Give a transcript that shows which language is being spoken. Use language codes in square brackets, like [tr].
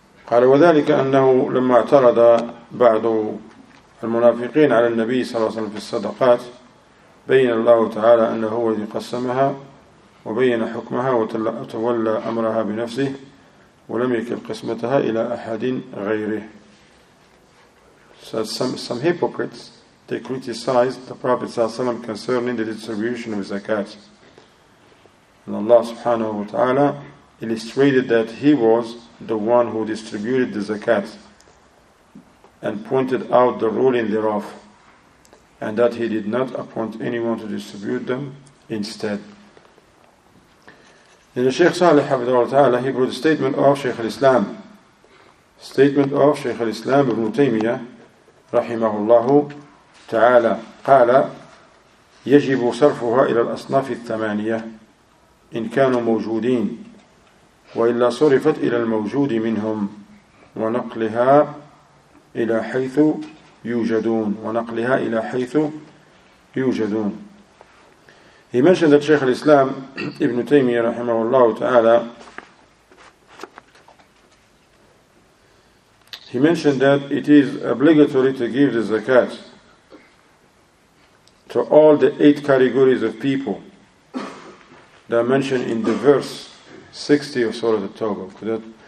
[ar] قال وذلك أنه لما اعترض بعض المنافقين على النبي صلى الله عليه وسلم في الصدقات بين الله تعالى أنه هو الذي قسمها وبين حكمها وتولى أمرها بنفسه ولم يكل قسمتها إلى أحد غيره. [en] So some hypocrites, they criticized the Prophet [ar] صلى الله عليه وسلم [en] concerning the distribution of zakat. And Allah subhanahu wa ta'ala illustrated that He was the one who distributed the zakat and pointed out the ruling thereof and that He did not appoint anyone to distribute them instead. In the Shaykh Salih Hafidhahu ta'ala, he brought a statement of Shaykh al-Islam. Statement of Shaykh al-Islam ibn Taymiyyah rahimahullahu ta'ala [ar] قال يجب صرفها إلى الأصناف الثمانية إن كانوا موجودين وإلا صرفت إلى الموجود منهم ونقلها إلى حيث يوجدون ونقلها إلى حيث يوجدون. [en] He mentioned that Shaykh al-Islam Ibn Taymiyyah [ar] رحمه الله تعالى, [en] he mentioned that it is obligatory to give the zakat to all the 8 categories of people that are mentioned in the verse 60 of Surah At-Tawbah.